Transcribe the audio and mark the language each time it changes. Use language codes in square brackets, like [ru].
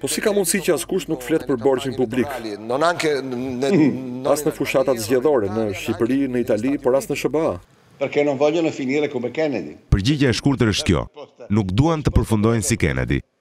[sq] Po si ka mundësi që askush nuk flet për borxhin publik? [it] Non anche [sq] as në fushatat zgjedhore në Shqipëri, në Itali, por as në SBA. [it] Perché non vogliono finire come Kennedy. [sq] Përgjigjja e shkurtër është kjo. Nuk duan të përfundojnë si Kennedy.